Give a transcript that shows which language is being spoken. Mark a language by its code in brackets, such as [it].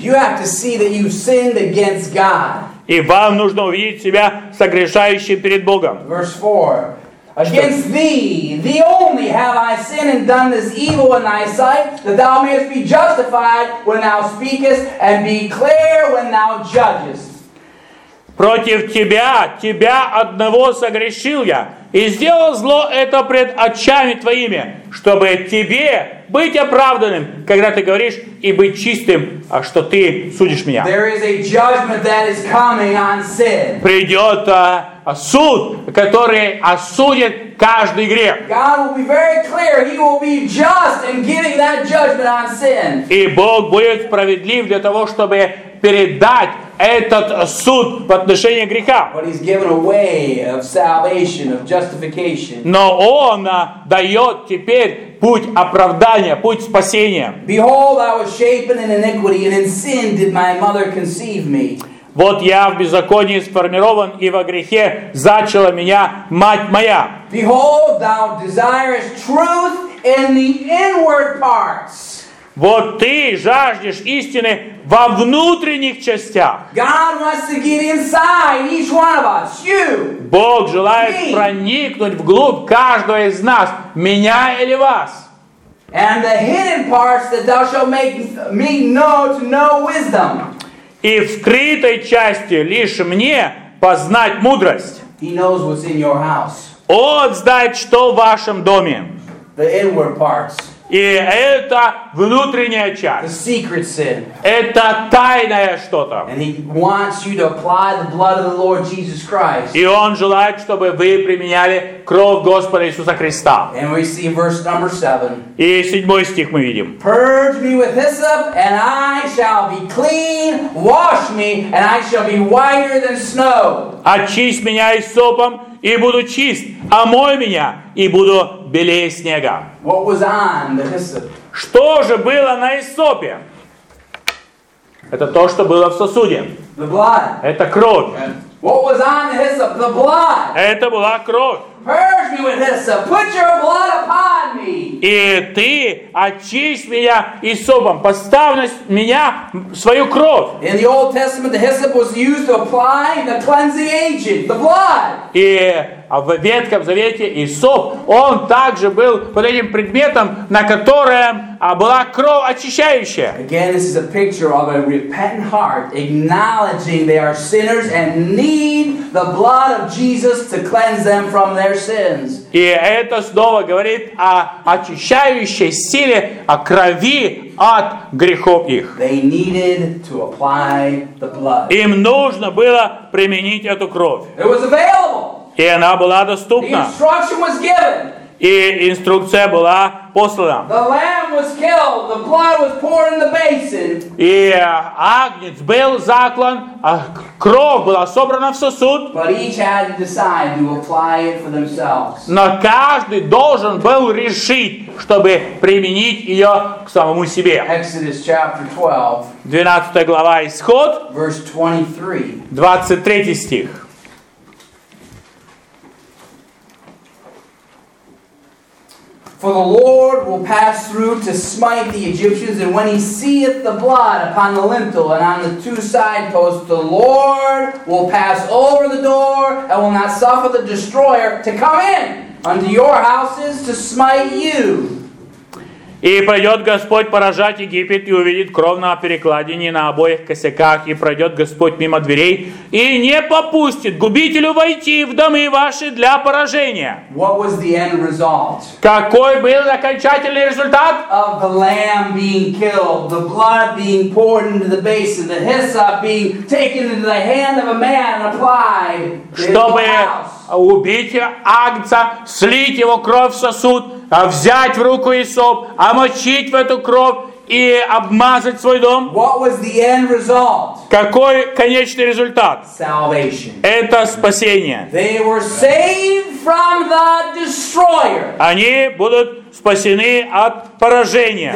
[en] You have to see that you sinned against God. [ru] И вам нужно увидеть себя согрешающим перед Богом. [en] Verse 4. Against thee, thee only, have I sinned and done this evil in thy sight, that thou mayest be justified when thou speakest, and be clear when thou judgest. [ru] Против тебя, тебя одного согрешил я, и сделал зло это пред очами твоими, чтобы тебе быть оправданным, когда ты говоришь, и быть чистым, что ты судишь меня. [en] There is a judgment that is coming on sin. [ru] Придет суд, который осудит каждый грех. [en] God will be very clear. He will be just in giving that judgment on sin. [ru] И Бог будет справедлив для того, чтобы передать этот суд в отношении греха. [en] But he's given a way of salvation, of justification. [ru] Но Он дает теперь путь оправдания, путь спасения. [en] Behold, I was shapen in iniquity, and in sin did my mother conceive me. [ru] Вот я в беззаконии сформирован, и во грехе зачала меня мать моя. [en] Behold, thou desirest truth in the inward parts. [ru] Вот ты жаждешь истины во внутренних частях. [en] God wants to get inside each one of us, you, [ru] Бог желает [en] me. [ru] Проникнуть вглубь каждого из нас, меня или вас. [en] And the hidden parts that thou shalt make me know to know wisdom. [ru] И в скрытой части лишь мне познать мудрость. [en] He knows what's in your house. [ru] Он знает, что в вашем доме. [en] The inward parts. [ru] И это внутренняя часть. [en] The secret sin. [ru] Это тайное что-то. [en] And he wants you to apply the blood of the Lord Jesus Christ. [ru] И он желает, чтобы вы применяли кровь Господа Иисуса Христа. [en] And we see verse number 7. [ru] И 7 стих мы видим. [en] Purge me with hyssop, and I shall be clean. Wash me, and I shall be whiter than snow. [ru] Очисть меня иссопом, и буду чист. Омой меня, и буду белее снега. [en] What was on the hyssop? [ru] Что же было на иссопе? Это то, что было в сосуде. [en] The blood. [ru] Это кровь. [en] What was on the hyssop? The blood. [ru] Это была кровь. [en] Purge me with hyssop. Put your blood upon me. [ru] И ты очисть меня иссопом. Поставь на меня свою кровь. [en] In the Old Testament, the hyssop was used to apply the cleansing agent, the blood. [ru] И в Ветхом Завете иссоп, он также был под этим предметом, на котором была кровь очищающая. [en] Again, this is a picture of a repentant heart acknowledging they are sinners and need the blood of Jesus to cleanse them from their sins. [ru] И это снова говорит о очищающей силе, о крови от грехов их. [en] They needed to apply the blood. [ru] Им нужно было применить эту кровь. [en] It was available. [ru] И она была доступна. [en] The instruction was given. [ru] И инструкция была послана. [en] The lamb was killed. The blood was poured in the basin. [ru] И агнец был заклан, а кровь была собрана в сосуд. [en] But each had to decide to apply it for themselves. [ru] Но каждый должен был решить, чтобы применить ее к самому себе. [en] Exodus chapter 12. [ru] 12 глава Исход. [en] Verse 23. [ru] 23 стих. [en] For the Lord will pass through to smite the Egyptians, and when he seeth the blood upon the lintel and on the two side posts, the Lord will pass over the door and will not suffer the destroyer to come in unto your houses to smite you. [ru] И пройдет Господь поражать Египет и увидит кровь на перекладине на обоих косяках. И пройдет Господь мимо дверей и не попустит губителю войти в домы ваши для поражения. [en] What was the end result? [ru] Какой был окончательный результат? [en] Of the lamb being killed, the blood being poured into the basin, the hyssop being taken into the hand of a man and applied in the house. [ru] Убить агнца, слить его кровь в сосуд, взять в руку иссоп, омочить в эту кровь и обмазать свой дом. [en] What was the end result? [ru] Какой конечный результат? [en] Salvation. [ru] Это спасение. [en] They were saved from the destroyer. [ru] Они будут спасены от поражения.